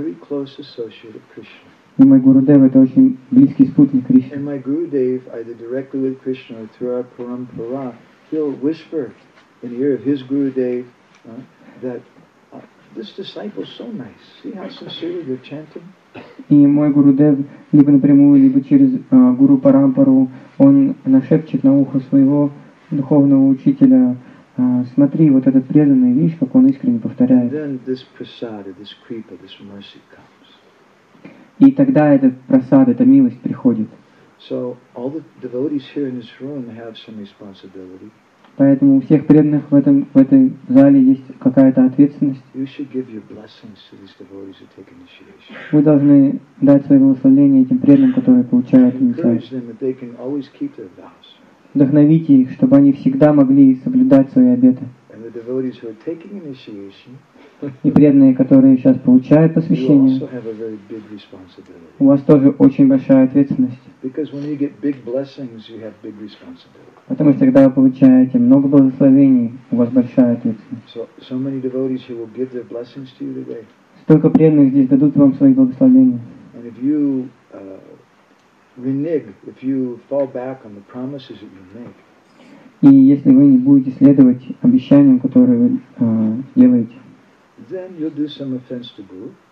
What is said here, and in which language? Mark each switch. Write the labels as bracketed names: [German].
[Russian] И мой Гурудев это очень близкий спутник Кришны. И мой Гурудев, [English] either directly with Krishna or through our parampara, he'll whisper in the ear of his Gurudev that this disciple is so nice. See how sincerely they're chanting. [Russian] И мой Гурудев, либо напрямую, либо через Гуру Парампару, он нашепчет на ухо своего духовного учителя, смотри, вот этот преданный, видишь, как он искренне повторяет. [English] Then this prasad, this kripa, this mercy comes. [Russian] И тогда этот прасад, эта милость приходит. [English] So all the devotees here in this room have some responsibility. [Russian] Поэтому у всех преданных в этом в этой зале есть какая-то ответственность. [English] You should give your blessings to these devotees who take initiation. [Russian] Вы должны дать свое благословение этим преданным, которые получают инициацию. Вдохновите их, чтобы они всегда могли соблюдать свои обеты. [English] And the devotees who are taking initiation, [Russian] и преданные, которые сейчас получают посвящение, [English] you also have a very big responsibility. [Russian] У вас тоже очень большая ответственность. [English] Because when you get big blessings, you have big responsibility. [Russian] Потому что когда вы получаете много благословений, у вас большая ответственность. [English] So many devotees will give their blessings to you today. [Russian] Столько преданных здесь дадут вам свои благословения. [English] And if you renege, if you fall back on the promises that you make, [Russian] и если вы не будете следовать обещаниям, которые вы делаете, [English] then you'll do some offense to Guru.